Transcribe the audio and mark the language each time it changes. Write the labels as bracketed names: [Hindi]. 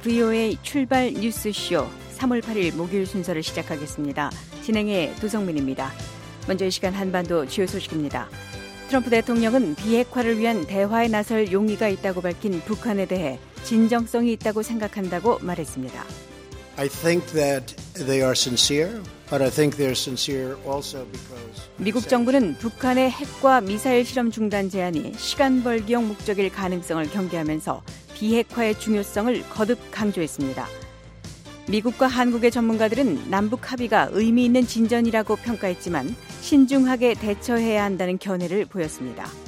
[Korean] VOA 출발 뉴스 쇼 3월 8일 목요일 순서를 시작하겠습니다. 진행의 도성민입니다. 먼저 이 시간 한반도 주요 소식입니다. 트럼프 대통령은 비핵화를 위한 대화에 나설 용의가 있다고 밝힌 북한에 대해 진정성이 있다고 생각한다고 말했습니다. [English] I think that they are sincere, but I think they're sincere also because [Korean] 미국 정부는 북한의 핵과 미사일 실험 중단 제안이 시간 벌기용 목적일 가능성을 경계하면서 비핵화의 중요성을 거듭 강조했습니다. 미국과 한국의 전문가들은 남북 합의가 의미 있는 진전이라고 평가했지만 신중하게 대처해야 한다는 견해를 보였습니다.